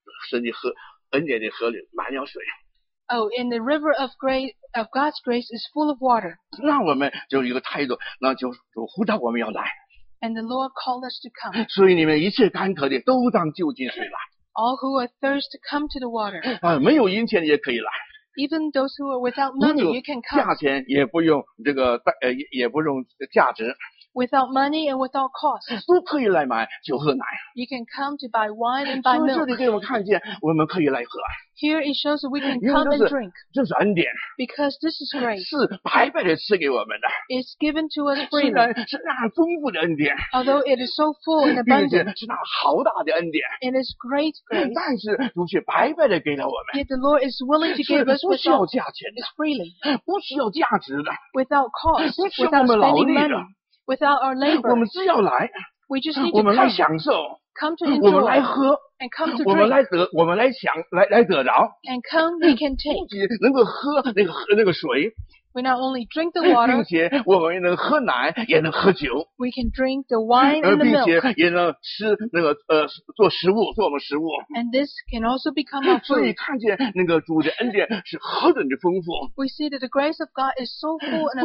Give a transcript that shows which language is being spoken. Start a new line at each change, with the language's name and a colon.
Chinese: 神的河，恩典的河里满了水。
English: Oh, in the river of grace, of God's grace is full of water.
Chinese: 那我们就有一个态度，那就主呼召我们要来。
English: And the Lord called us to come.
Chinese: 所以你们一切干渴的都当就近水来。
English: All who are thirst to come to the water.
Chinese: 啊，没有银钱也可以来。
English: Even those who are without money, you can come.
Chinese: 价钱也不用这个也不用价值。
English: Without money and without cost.
Chinese: 都可以来买酒喝奶。
English: You can come to buy wine and buy milk.
Chinese: 所以这里给我们看见，我们可以来喝。
English: Here it shows that we can come and drink.
Chinese: 这是恩典。
English: Because this is grace.
Chinese: 是白白的赐给我们的。
English: It's given to us freely.
Chinese: 是那丰富的恩典。
English: Although it is so full and abundant.
Chinese: 并且是那浩大的恩典。
English: It is great grace.
Chinese: 但是主却白白的给了我们。
English: Yet the Lord is willing to give us without.
Chinese: 是不需要价钱的。
English: It's freely.
Chinese: 不需要价值的。
English: Without cost.
Chinese: 不需要我们劳力的。
English: Without our labor,
Chinese: 我们只要来
English: we just need to
Chinese: 我们来享受
English: come to enjoy,
Chinese: 我们来喝
English: and come to drink,
Chinese: 我们来得我们来享 来得着
English: and come, we can take,
Chinese: 不仅能够喝那个水
English: we not only drink the water,
Chinese: 并且我们也能喝奶也能喝酒
English: we can drink the wine and the milk,
Chinese: 并且也能吃那个做食物做我们食物
English: and this can also become our food.
Chinese: 所以看见那个主的恩典是何等的丰富
English: we see that the grace of God is so full and abundant.